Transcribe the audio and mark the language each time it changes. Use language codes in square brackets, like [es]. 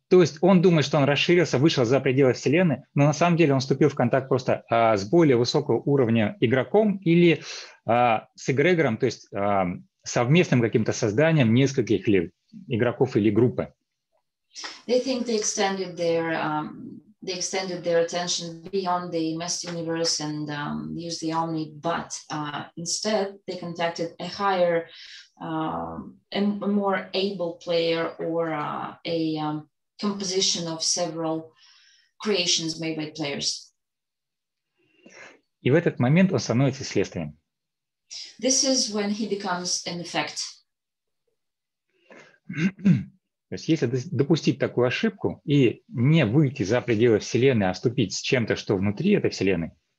[ru] То есть он думает, что он расширился, вышел за пределы Вселенной, но на самом деле он вступил в контакт просто с более высокого уровня игроком или с эгрегором, то есть совместным каким-то созданием нескольких ли игроков или группы. [en] They think they extended their they extended their attention beyond the mass universe and used the Omni, but instead they contacted a higher, a more able player or composition of several creations made by players. [ru] И в этот момент он становится следствием. [en] This is when he becomes an effect. [ru] То есть если допустить такую ошибку и не выйти за пределы Вселенной, а вступить с чем-то, что внутри этой Вселенной.